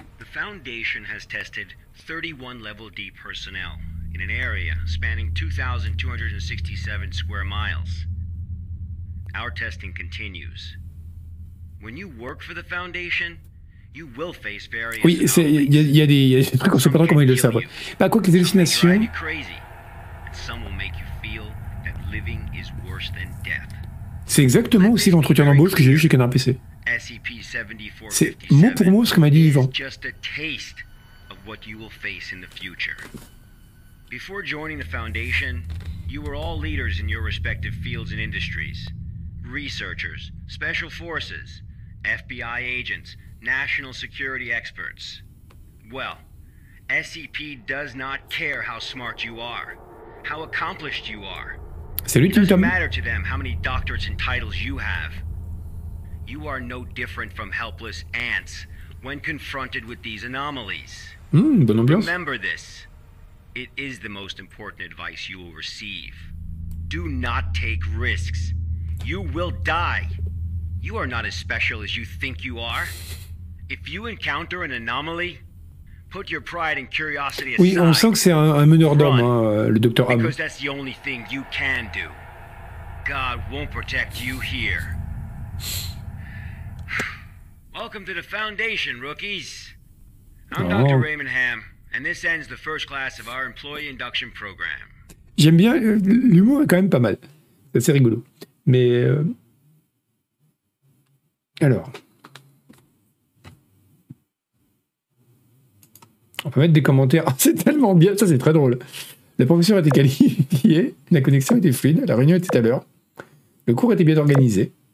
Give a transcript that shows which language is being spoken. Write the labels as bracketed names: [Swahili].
[English] The Foundation has tested 31 level D personnel in an area spanning 2,267 square miles. Our testing continues. When you work for the Foundation, you will face various... [French] Oui, il y a des trucs qu'on ne sait pas trop comment ils le savent. Bah quoi que les hallucinations... [English] Some will make you feel that living is worse than death. [French] C'est exactement aussi l'entretien d'embauche que j'ai eu chez Canard PC. C'est mot pour mot ce que m'a dit Yvan. [English] Just a taste of what you will face in the future. Before joining the Foundation, you were all leaders in your respective fields and industries. Researchers, special forces, FBI agents, national security experts. Well, SCP does not care how smart you are, how accomplished you are. [French] Salut, [English] it doesn't matter to them how many doctorates and titles you have. You are no different from helpless ants when confronted with these anomalies. [French] Bonne ambiance. [English] Remember this. It is the most important advice you will receive. Do not take risks. You will die. You are not as special as you think you are. If you encounter an anomaly, put your pride and curiosity aside. [French] Oui, on sent que c'est un meneur d'hommes, hein, le docteur Ham. [English] Because that's the only thing you can do. God won't protect you here. Welcome to the Foundation, rookies. I'm Dr. Raymond Ham, and this ends the first class of our employee induction program. [French] J'aime bien, l'humour est quand même pas mal. C'est assez rigolo. Mais alors, on peut mettre des commentaires. Oh, c'est tellement bien, ça c'est très drôle. La professeure était qualifiée, la connexion était fluide, la réunion était à l'heure, le cours était bien organisé.